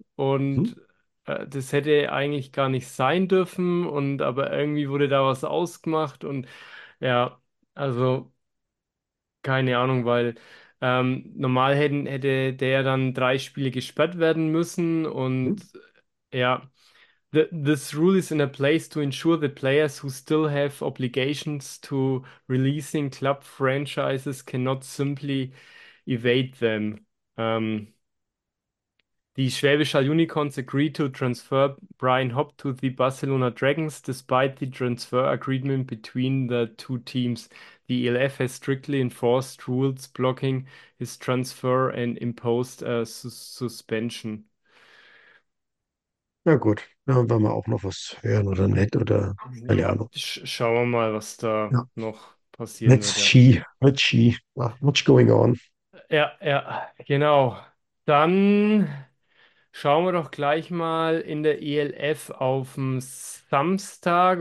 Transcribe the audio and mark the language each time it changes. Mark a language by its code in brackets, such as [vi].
[de] Und das hätte eigentlich gar nicht sein dürfen. Und aber irgendwie wurde da was ausgemacht. Und ja, also keine Ahnung, weil normal hätte der dann 3 Spiele gesperrt werden müssen. Und ja. [en] This rule is in a place to ensure that players who still have obligations to releasing club franchises cannot simply evade them. Die Schwäbischer Unicorns agreed to transfer Brian Hopp to the Barcelona Dragons, despite the transfer agreement between the two teams. The ELF has strictly enforced rules blocking his transfer and imposed a suspension. [de] Na gut, dann werden wir auch noch was hören oder nett oder keine Ja, Ahnung. schauen wir mal, was da Ja. noch passieren wird. Ja. [en] Let's see, what's going on? [de] Ja, genau. Dann schauen wir doch gleich mal in der ELF auf dem Samstag.